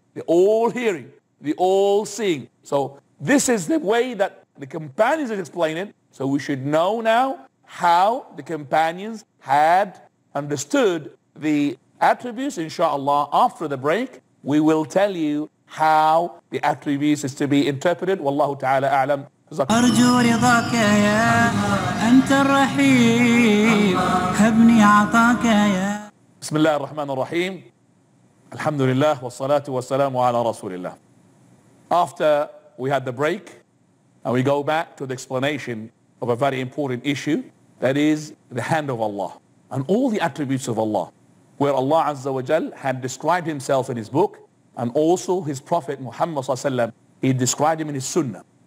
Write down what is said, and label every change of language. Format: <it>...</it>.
<en>The all-hearing, the all-seeing. So this is the way that the companions explain it, so we should know now how the companions had understood the attributes, inshallah. After the break, we will tell you how the attributes is to be interpreted. Wallahu ta'ala a'lam.</en> <ar>أرجو رضاك يا أنت الرحيم هبني عطاك يا بسم الله الرحمن الرحيم الحمد لله والصلاة والسلام على رسول الله.</ar> <en>After we had the break and we go back to the explanation of a very important issue, that is the hand of Allah and all the attributes of Allah, where Allah Azza wa Jal had described himself in his book and also his Prophet Muhammad Sallallahu Alaihi Wasallam, he described him in his Sunnah.</en>